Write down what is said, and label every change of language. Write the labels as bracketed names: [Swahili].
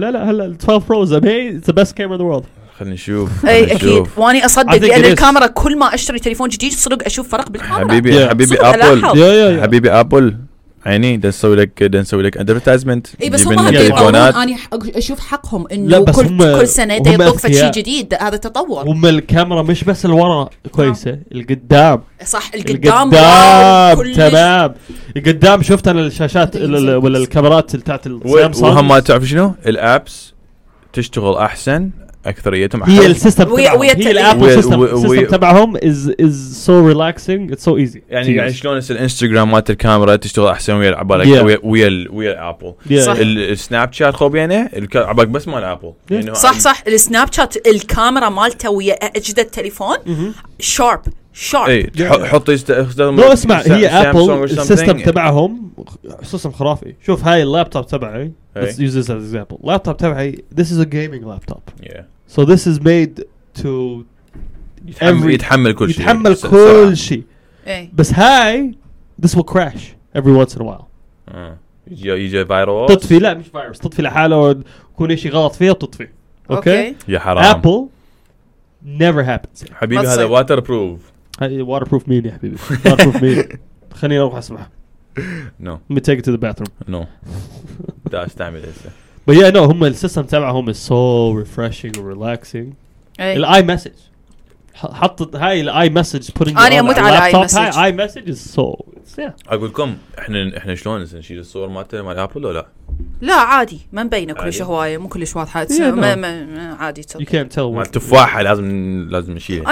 [English] لا 12 Pro is amazing. It's the best camera in the world. [Arabic] خلني نشوف. أي أكيد. واني أصدق لأن الكاميرا كل ما أشتري تليفون جديد صدق أشوف فرق بالكاميرا. حبيبي أبل. حبيبي أبل. عيني دنسوي لك ادفرتايزمنت بس هم التليفونات انا اشوف حقهم انه كل سنه ده يطلق شيء جديد هذا التطور هم الكاميرا مش بس الورا كويسه القدام صح القدام تمام القدام شفت انا الشاشات ولا الكاميرات بتاعت السامسونج وهم ما تعرف شنو الابس تشتغل احسن اكثريتهم هي السيستم هي الابل سيستم تبعهم [English] is so relaxing it's so easy [Arabic] يعني يعني شلون الانستغرام مالت الكاميرا تشتغل احسن ويا العبال ويا الابل السناب شات خوب يعني عبالك بس مال ابل صح السناب شات الكاميرا مالته ويا اجدد تليفون شارب حطي لو اسمع هي ابل السيستم تبعهم سيستم خرافي شوف هاي اللابتوب تبعي [English] Let's use this as an example. Laptop [Arabic] تبعي, [English] this is a gaming laptop. Yeah. So this is made to [Arabic] يتحمل كل شيء. يتحمل كل شيء. [English] بس هاي, this will crash every once in a while. [Arabic] يجي فيروس. تطفي لا مش فيروس. تطفي لحاله ويكون شيء غلط فيها تطفي. [English] Okay. [Arabic] يا حرام. [English] Apple never happens. [Arabic] حبيبي هذا waterproof. Waterproof مين يا حبيبي? Waterproof مين? خليني أروح أسمع. [English] No. Let me take it to the bathroom. [Arabic] No. داش تعمل هسه. [English] But yeah, no. [Arabic] هم السيستم تبعهم [English] is so refreshing and relaxing. [Arabic] الاي مسج. حطت هاي الاي مسج putting [English] on the laptop. [Arabic] هاي الاي مسج [English] is so. Yeah. [Arabic] أقولكم إحنا شلون نشيل الصور مالته مال أبل ولا لا؟ لا عادي ما مبينه كلش هواية مو كلش واضحة. ما عادي. [English] You can't tell. [Arabic] التفاحة لازم نشيلها.